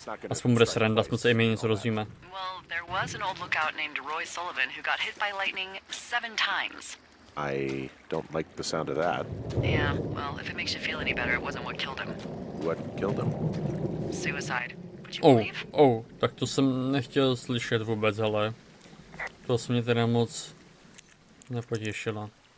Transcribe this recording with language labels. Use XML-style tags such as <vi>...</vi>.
<cs>Aspoň bude sranda, aspoň se i my něco rozvíme.</cs> <en>Well, there was an old lookout named Roy Sullivan who got hit by lightning 7 times. I don't like the sound of that. Yeah, well, if it makes you feel any better, it wasn't what killed him. What killed him? Suicide. Would you believe?</en> <cs>Oh, tak to jsem nechtěl slyšet vůbec, hele. To se mě teda moc nepotěšila.</cs>